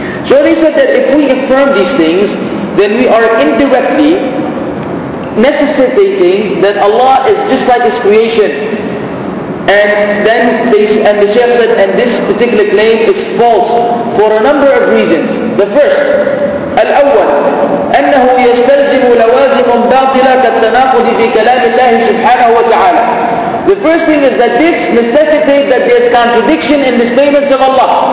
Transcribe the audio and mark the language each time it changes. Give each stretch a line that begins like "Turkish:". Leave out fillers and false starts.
English: So they said that if we affirm these things, then we are indirectly necessitating that Allah is just like His creation. And then the Shaykh said, and this particular claim is false for a number of reasons. The first,
Arabic: الأول أنه يستلزم لوازم باطلة كالتناقض في كلام الله سبحانه وتعالى.
English: The first thing is that this necessitates that there is contradiction in the statements of Allah.